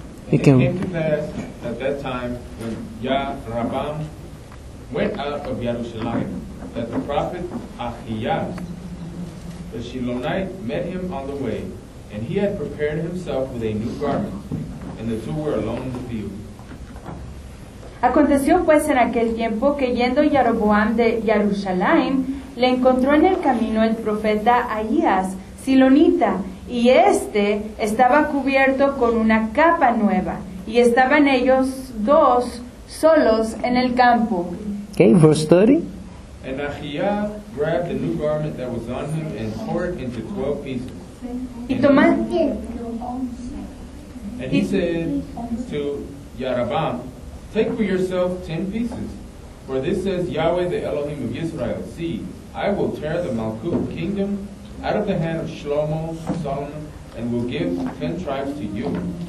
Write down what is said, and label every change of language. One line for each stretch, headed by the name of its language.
English: It came to pass at that time when Jeroboam went out of Jerusalem that the prophet Ahijah the Shilonite met him on the way, and he had prepared himself with a new garment, and the two were alone in the field.
Spanish: Aconteció pues en aquel tiempo que yendo Jeroboam de Jerusalem le encontró en el camino el profeta Ahijah Silonita, y este estaba cubierto con una capa nueva, y estaban ellos dos solos en el campo.
English: Okay, verse 30. And Ahijah grabbed the new garment that was on him and tore it into 12 pieces. And he said to Jeroboam, take for yourself 10 pieces, for this says Yahweh the Elohim of Israel, see, I will tear the Malkut kingdom out of the hand of Shlomo Solomon, and will give 10 tribes to you,